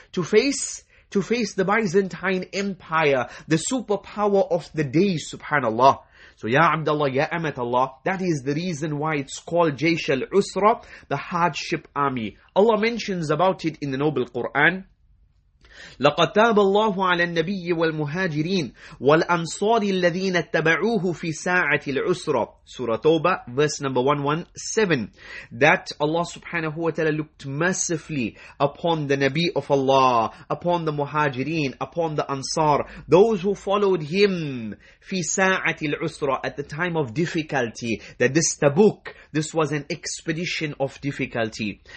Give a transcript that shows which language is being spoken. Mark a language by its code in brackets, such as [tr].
[en] To face the Byzantine Empire, the superpower of the day, subhanallah. So Ya Abdullah, Ya Amat Allah, that is the reason why it's called Jaysh al-Usra, the hardship army. Allah mentions about it in the Noble Quran. [ar] لقد تاب الله على النبي والمهاجرين والأنصار الذين اتبعوه في ساعة العسرة. [en] Surah Tawbah, verse number 117. That Allah subhanahu wa ta'ala looked mercifully upon the Nabi of Allah, upon the Muhajireen, upon the Ansar, those who followed him, [ar] في ساعة العسرة, [en] at the time of difficulty, that this Tabuk, this was an expedition of difficulty.